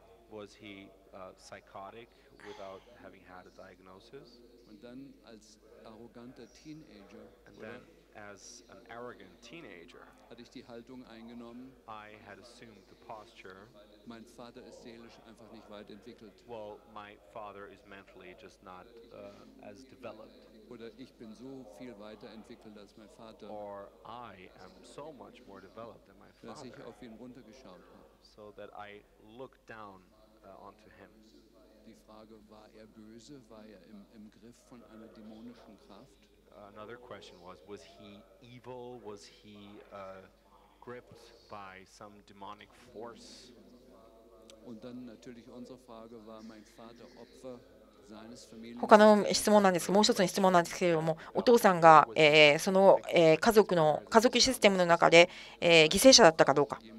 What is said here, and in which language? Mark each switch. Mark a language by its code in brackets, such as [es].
[en] was he psychotic without having had a diagnosis? [de] Und dann als arroganter Teenager, [en] and then as an arrogant teenager, [de] hatte ich die Haltung eingenommen, [en] I had assumed the posture, [de] mein Vater ist seelisch einfach nicht weit entwickelt. [en] Well, my father is mentally just not as developed. [de] Oder ich bin so viel weiter entwickelt als mein Vater. [en] Or I am so much more developed than my father. [de] Dass ich auf ihn runtergeschaut habe. [en] So that I looked down onto him. [de] Die Frage, war er böse? War er im Griff von einer dämonischen Kraft? [en] Another question was he evil? Was he gripped by some demonic force? [de] Und dann natürlich unsere Frage, war mein Vater Opfer seines Familien? [ja] 他の質問なんですけど、もう一つの質問なんですけれども、お父さんが、その、家族システムの中で、犠牲者だったかどうか。